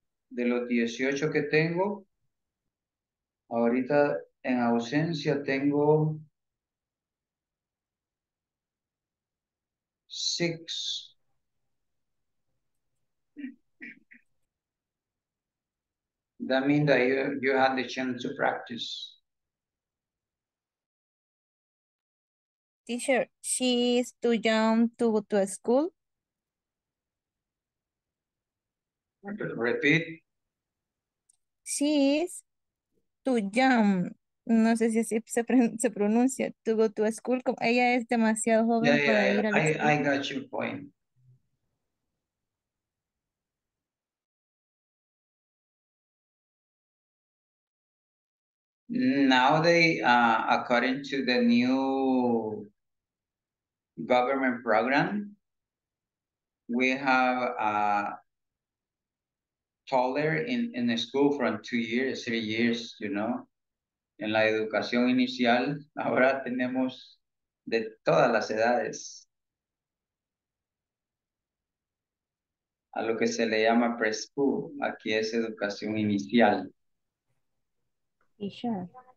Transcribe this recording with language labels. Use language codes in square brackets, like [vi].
[es] De los 18 que tengo, ahorita en ausencia tengo 6. [en] That means that you had the chance to practice. Teacher, she's too young to go to school. Repeat. She is too young. [es] No sé si así se pronuncia. [en] To go to school. [es] Como ella es demasiado joven para ir a la escuela. [en] I got your point. Now they, according to the new government program, we have taller in the school from 2 years, 3 years, you know, [es] en la educación inicial, ahora tenemos de todas las edades a lo que se le llama preschool. Aquí es educación inicial. Y sure.